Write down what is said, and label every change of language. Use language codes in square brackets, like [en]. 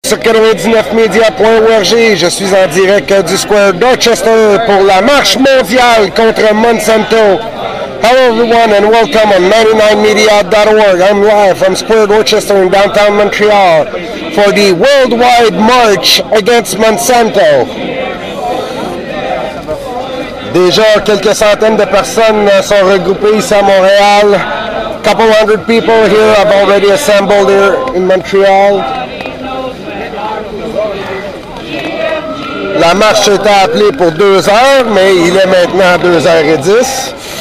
[fr] Sur 99media.org, je suis en direct du Square Dorchester pour la Marche mondiale contre Monsanto. [en] Hello everyone and welcome on 99media.org. I'm live from Square Dorchester in downtown Montreal for the worldwide march against Monsanto. [fr] Déjà quelques centaines de personnes sont regroupées ici à Montréal. [en] A couple hundred people here have already assembled here in Montreal. [fr] La marche était appelée pour 2 heures, mais il est maintenant 2h10.